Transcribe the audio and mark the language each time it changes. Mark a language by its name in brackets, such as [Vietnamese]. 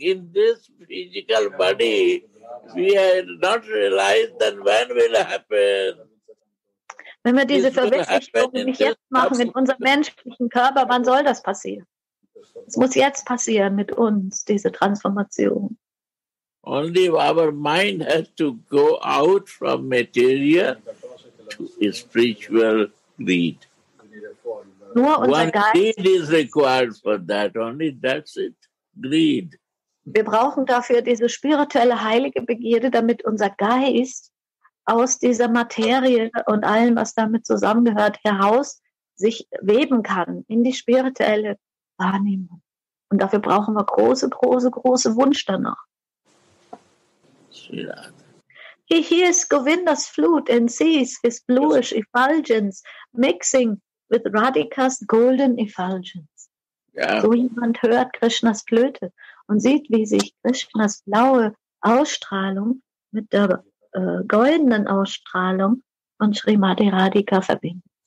[English] In this physical body, we have not realized that when will happen. [German] Wenn wir diese Verwirklichung nicht jetzt machen, in unserem menschlichen Körper, wann soll das passieren? Es muss jetzt passieren mit uns, diese Transformation. [English] Only our mind has to go out from material to a spiritual need. [German] Nur unser [English] One greed is required for that, only that's it, greed. [German] Wir brauchen dafür diese spirituelle heilige Begierde, damit unser Geist aus dieser Materie und allem, was damit zusammengehört, heraus sich weben kann in die spirituelle Wahrnehmung. Und dafür brauchen wir große, große, große Wunsch danach. [English] He hears Govinda's flute and sees his bluish effulgence mixing with Radhika's golden effulgence. Yeah. [German] So jemand hört Krishnas Flöte und sieht, wie sich Krishnas blaue Ausstrahlung mit der goldenen Ausstrahlung von Srimati Radhika verbindet.